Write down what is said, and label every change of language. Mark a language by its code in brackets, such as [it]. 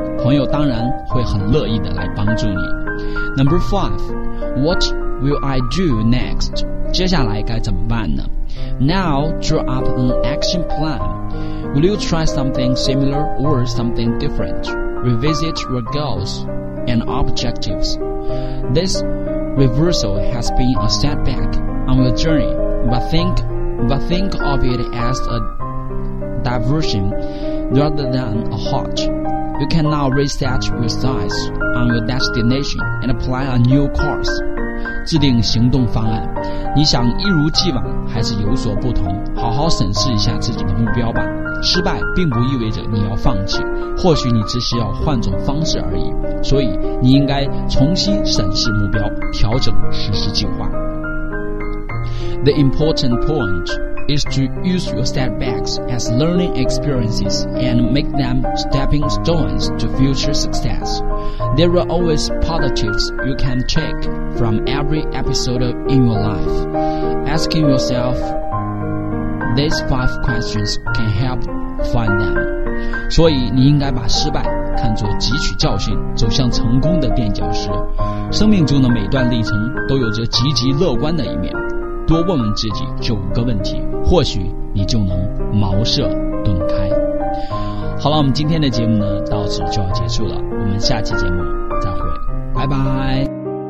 [zh] 朋友当然会很乐意的来帮助你。 [en] Number five, What will I do next? [zh] 接下来该怎么办呢？ [en] Now draw up an action plan. Will you try something similar or something different? Revisit your goals and objectives. This reversal has been a setback on your journey, but think of it as a diversion rather than a halt. You can now reset your sights on your destination and apply a new course. [zh] 制定行动方案，你想一如既往还是有所不同？好好审视一下自己的目标吧。失败并不意味着你要放弃，或许你只是要换种方式而已。所以你应该重新审视目标，调整实施计划。 [en] The important point. Is to use your setbacks as learning experiences and make them stepping stones to future success. There are always positives you can take from every episode in your life. Asking yourself, These five questions can help find them. [zh] 所以你应该把失败看作汲取教训走向成功的垫脚石。生命中的每段历程都有着积极乐观的一面，多问问自己九个问题，或许你就能茅塞顿开。好了，我们今天的节目呢到此就要结束了，我们下期节目再会，拜拜。